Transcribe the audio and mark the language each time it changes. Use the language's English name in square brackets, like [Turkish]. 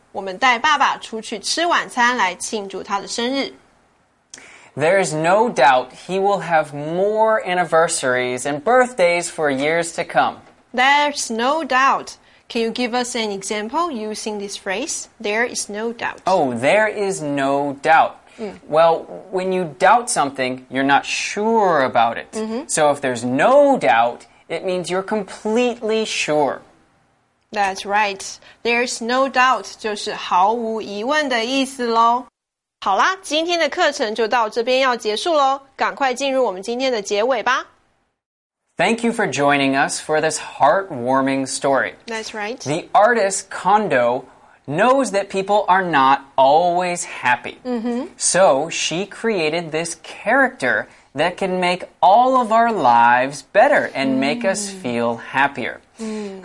[Chinese] 我们带爸爸出去吃晚餐来庆祝他的生日。 [English] There is no doubt he will have more anniversaries and birthdays for years to come. There's no doubt. Can you give us an example using this phrase? There is no doubt. Oh, there is no doubt. Well, when you doubt something, you're not sure about it. Mm-hmm. So if there's no doubt, it means you're completely sure. That's right. There's no doubt [Chinese] 就是毫无疑问的意思咯。好啦，今天的课程就到这边要结束咯。赶快进入我们今天的结尾吧。 [English] Thank you for joining us for this heartwarming story. That's right. The artist Kondo... knows that people are not always happy. Mm-hmm. So she created this character that can make all of our lives better and make us feel happier. Mm.